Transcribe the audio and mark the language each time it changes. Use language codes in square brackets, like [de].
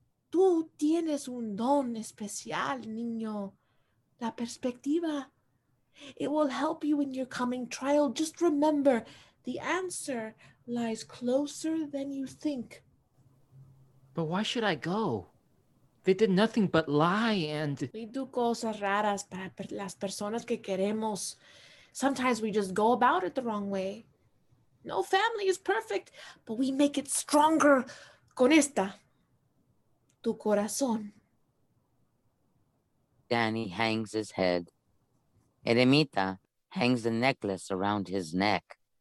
[es] Tú tienes un don especial, niño. La perspectiva. [en] It will help you in your coming trial. Just remember, the answer lies closer than you think. But why should I go? They did nothing but lie and... We do [es] cosas raras para las personas que queremos. [en] Sometimes we just go about it the wrong way. No family is perfect, but we make it stronger [es] con esta. Tu corazón. [en] Danny hangs his head. Eremita hangs the necklace around his neck.